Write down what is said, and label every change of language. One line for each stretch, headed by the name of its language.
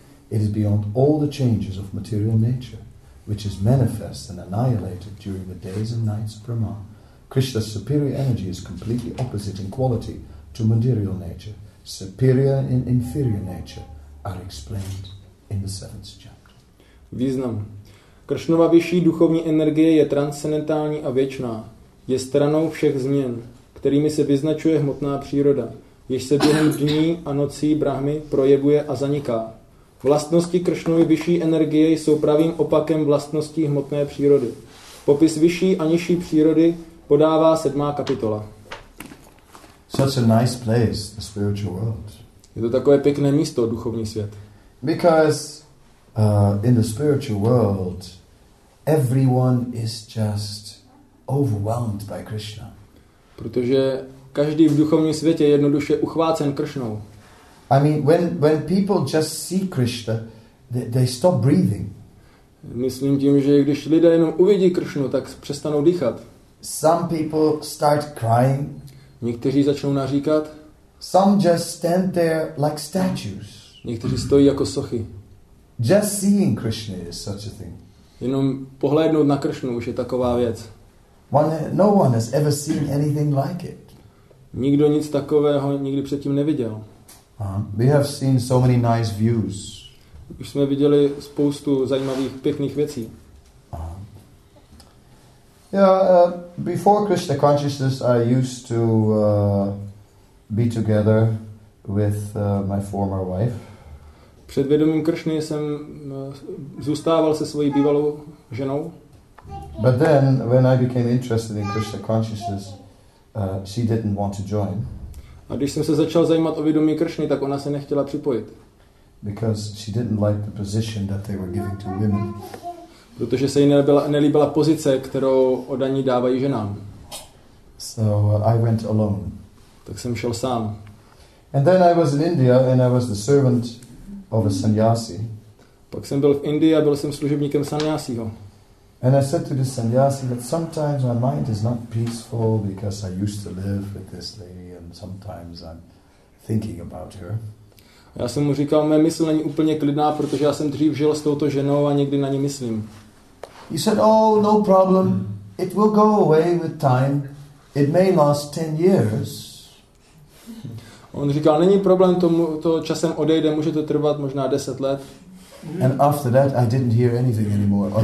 English: It is beyond all the changes of material nature, which is manifest and annihilated during the days and nights of Brahma. Krishna's superior energy is completely opposite in quality to material nature. Superior and inferior nature are explained in the seventh chapter.
Czech: Význam. Krishnova vyšší duchovní energie je transcendentální a věčná. Je stranou všech změn, kterými se vyznačuje hmotná příroda, jež se během dní a nocí Brahmy projevuje a zaniká. Vlastnosti Krishnovy vyšší energie jsou pravým opakem vlastností hmotné přírody. Popis vyšší a nižší přírody podává sedmá kapitola.
English: Such a nice place, the spiritual world.
Czech: Je to takové pěkné místo, duchovní svět.
English: Because in the spiritual world, everyone is just overwhelmed by Krishna.
Czech: Protože každý v duchovním světě je jednoduše uchvácen Krishnou.
English: I mean, when people just see Krishna, they stop breathing.
Czech: Myslím tím, že když lidé jenom uvidí Krishnu, tak přestanou dýchat.
English: Some people start crying.
Czech: Někteří začnou naříkat.
English: Some just stand there like statues.
Czech: Někteří stojí jako sochy.
English: Just seeing Krishna is such a thing.
Czech: Jenom pohlédnout na Krishnu už je taková věc.
English: No one has ever seen anything like it.
Czech: Nikdo nic takového nikdy předtím neviděl.
English: We have seen so many nice views.
Czech: Už jsme viděli spoustu zajímavých pěkných věcí.
English: Before Krishna consciousness, I used to be together with my former wife.
Czech: Před vědomím Krishny jsem zůstával se svojí bývalou ženou.
English: But then, when I became interested in Krishna consciousness, she didn't want to join.
Czech: A když jsem se začal zajímat o vědomí Krishny, tak ona se nechtěla připojit.
English: Because she didn't like the position that they were giving to women.
Czech: Protože se jí nelíbila pozice, kterou od ní dávají ženám.
English: So I went alone.
Czech: Tak jsem šel sám.
English: And then I was in India and I was the servant of a sannyasi.
Czech: Pak jsem byl v Indii a byl jsem služebníkem sannyasiho.
English: And I said to the sannyasi that sometimes my mind is not peaceful because I used to live with this lady and sometimes I'm thinking about her.
Czech: Já jsem mu říkal, mé mysl není úplně klidná, protože já jsem dřív žil s touto ženou a někdy na ní myslím.
English: He said, oh, no problem. It will go away with time. It may last 10 years.
Czech: On říkal, není problém, to časem odejde, může to trvat možná 10 let.
English: And after that I didn't hear anything anymore.